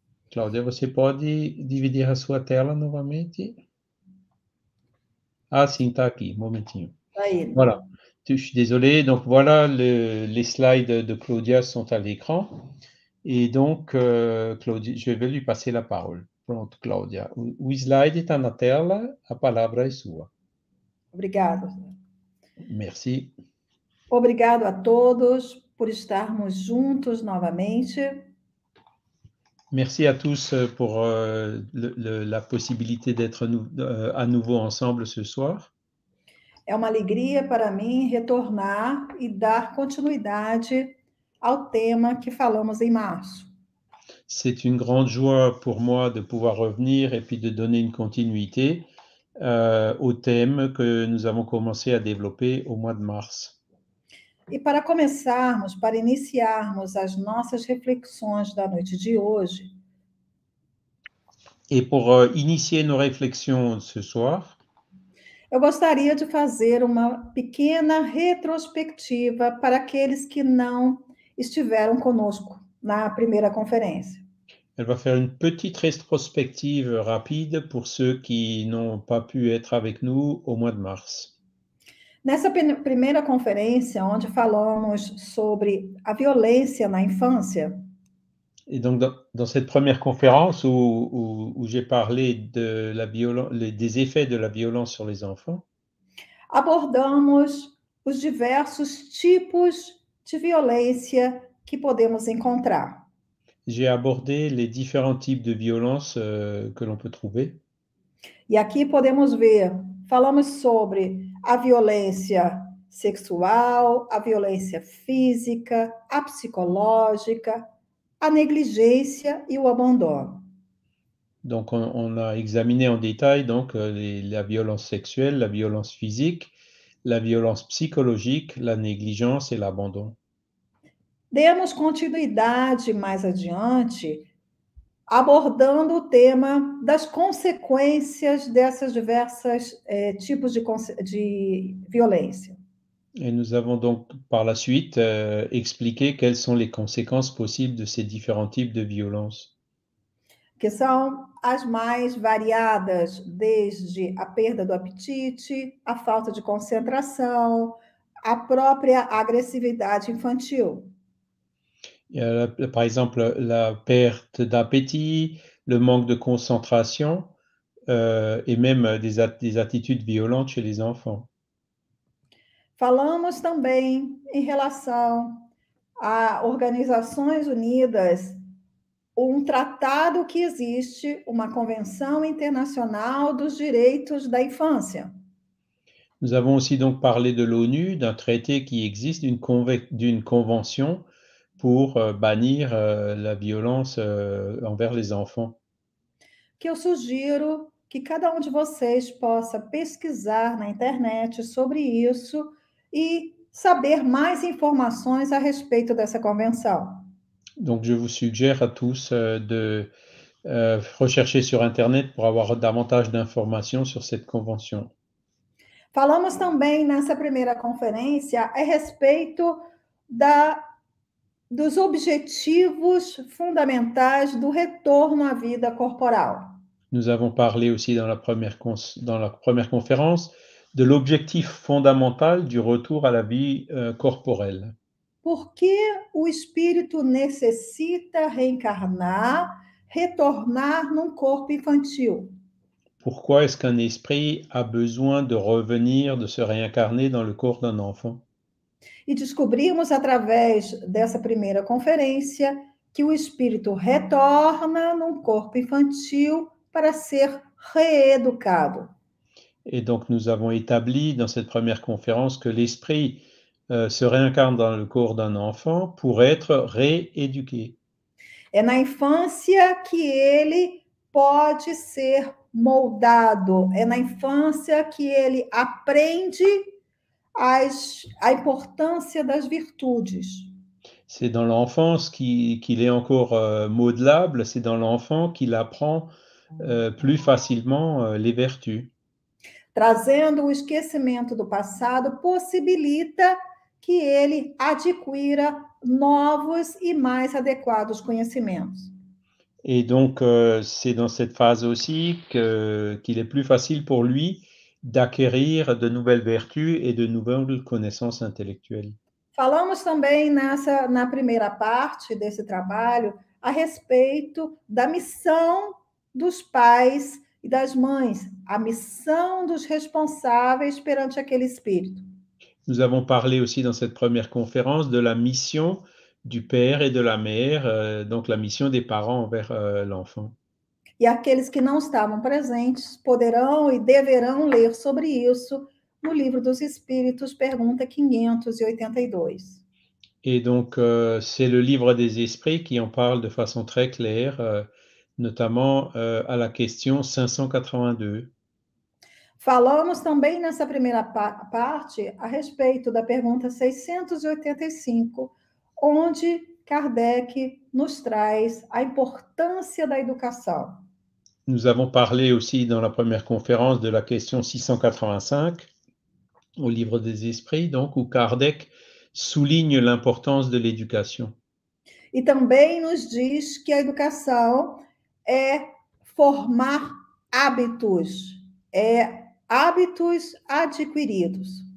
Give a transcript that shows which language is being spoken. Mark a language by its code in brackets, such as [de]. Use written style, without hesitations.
[pt] Claudia, você pode dividir a sua tela novamente? Ah, sim, está aqui, momentinho. Aí. [fr] Voilà, je suis désolé. Donc, voilà, les slides de Claudia sont à l'écran. Et donc, Claudia, je vais lui passer la parole. Pronto, Claudia. [pt] O slide está na tela, a palavra é sua. Obrigado. [fr] Merci. [pt] Obrigado a todos por estarmos juntos novamente. [fr] Merci à tous pour la possibilité d'être à nouveau ensemble ce soir. [pt] É uma alegria para mim retornar e dar continuidade ao tema que falamos em março. [fr] C'est une grande joie pour moi de pouvoir revenir et puis de donner une continuité au thème que nous avons commencé à développer au mois de mars. [pt] E para começarmos, para iniciarmos as nossas reflexões da noite de hoje, [fr] Et pour initier nos réflexions ce soir, [pt] eu gostaria de fazer uma pequena retrospectiva para aqueles que não estiveram conosco na primeira conferência. [fr] elle va faire une petite rétrospective rapide pour ceux qui n'ont pas pu être avec nous au mois de mars. [pt] Nessa primeira conferência, onde falamos sobre a violência na infância, [fr] Et donc, dans cette première conférence où j'ai parlé de la des effets de la violence sur les enfants, [pt] abordamos os diversos tipos de violência que podemos encontrar. [fr] j'ai abordé les différents types de violence que l'on peut trouver. [pt] E aqui podemos ver, falamos sobre a violência sexual, a violência física, a psicológica, a negligência e o abandono. [fr] Donc, on a examiné en détail donc, la violence sexuelle, la violence physique, la violence psychologique, la négligence et l'abandon. [pt] Demos continuidade mais adiante, abordando o tema das consequências dessas diversas tipos de violência. [fr] Et nous avons donc par la suite expliqué quelles sont les conséquences possibles de ces différents types de violences. [pt] Que são as mais variadas, desde a perda do apetite, a falta de concentração, a própria agressividade infantil. [fr] Par exemple, la perte d'appétit, le manque de concentration et même des attitudes violentes chez les enfants. [pt] Falamos também em relação a Organizações Unidas, um tratado que existe, uma Convenção Internacional dos Direitos da Infância. [fr] Nous avons aussi donc parlé de l'ONU, d'un traité qui existe, d'une convention pour bannir la violence envers les enfants. [pt] Que eu sugiro que cada um de vocês possa pesquisar na internet sobre isso e saber mais informações a respeito dessa convenção. [fr] Donc, je vous suggère à tous de rechercher sur Internet pour avoir davantage d'informations sur cette convention. [pt] Falamos também nessa primeira conferência a respeito dos objetivos fundamentais do retorno à vida corporal. [fr] Nous avons parlé aussi dans la première conférence de l'objectif fondamental du retour à la vie corporelle. [pt] Por que o espírito necessita reencarnar, retornar num corpo infantil? [fr] Pourquoi est-ce qu'un esprit a besoin de revenir, de se réincarner dans le corps d'un enfant? [pt] E descobrimos através dessa primeira conferência que o espírito retorna num corpo infantil para ser reeducado. [fr] Et donc nous avons établi dans cette première conférence que l'esprit se réincarne dans le corps d'un enfant pour être rééduqué. [pt] É na infância que ele pode ser moldado, é na infância que ele aprende a importância das virtudes. [fr] C'est dans l'enfance qu'il est encore modelable, c'est dans l'enfant qu'il apprend plus facilement les vertus. [pt] Trazendo o esquecimento do passado possibilita que ele adquira novos e mais adequados conhecimentos. [fr] Et donc, c'est dans cette phase aussi qu'il est plus facile pour lui d'acquérir de nouvelles vertus et de nouvelles connaissances intellectuelles. [pt] Falamos também na primeira parte desse trabalho a respeito da missão dos pais e das mães, a missão dos responsáveis perante aquele espírito. [fr] Nous avons parlé aussi dans cette première conférence de la mission du père et de la mère, donc la mission des parents envers l'enfant. [pt] E aqueles que não estavam presentes poderão e deverão ler sobre isso no livro dos Espíritos, pergunta 582. [fr] Et donc, c'est le livre des esprits qui en parle de façon très claire, notamment à la question 582. [pt] Falamos também nessa primeira parte a respeito da pergunta 685, onde Kardec nos traz a importância da educação. [fr] Nous avons parlé aussi dans la première conférence de la question 685 au Livre des Esprits, donc où Kardec souligne l'importance de l'éducation. [pt] E também nos diz que a educação é formar hábitos, é hábitos adquiridos.